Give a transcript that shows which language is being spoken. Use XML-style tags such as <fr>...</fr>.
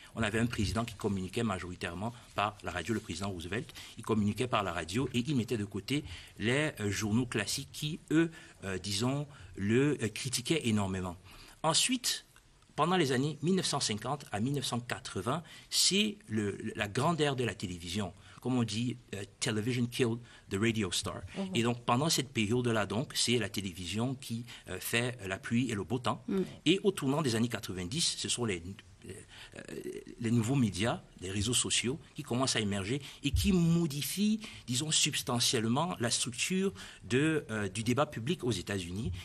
<fr>On avait un président qui communiquait majoritairement par la radio, le président Roosevelt, il communiquait par la radio et il mettait de côté les journaux classiques qui, eux, critiquaient énormément. Ensuite, pendant les années 1950 à 1980, c'est la grande ère de la télévision. Comme on dit,</fr> <en>television killed the radio star. Mm-hmm.</en> <fr>Et donc, pendant cette période-là, donc, c'est la télévision qui fait la pluie et le beau temps. Mm-hmm. Et au tournant des années 90, ce sont les nouveaux médias, les réseaux sociaux qui commencent à émerger et qui modifient, disons, substantiellement la structure du débat public aux États-Unis.</fr>